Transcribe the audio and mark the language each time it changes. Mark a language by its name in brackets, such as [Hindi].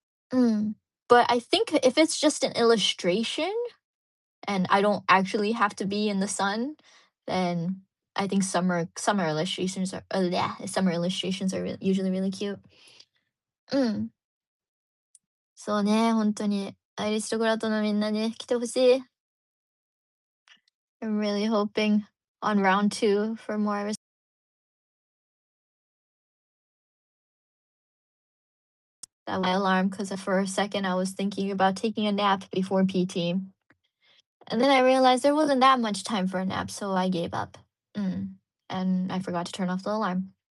[English] But I think if it's just an illustration, and I don't actually have to be in the sun, then I think summer illustrations are usually really cute. [Japanese] そうね、本当にアイリストグラトのみんなね、来てほしい。 [English] I'm really hoping on round two for more aristocrats. That was my alarm because for a second I was thinking about taking a nap before PT. And then I realized there wasn't that much time for a nap, so I gave up. And I forgot to turn off the alarm.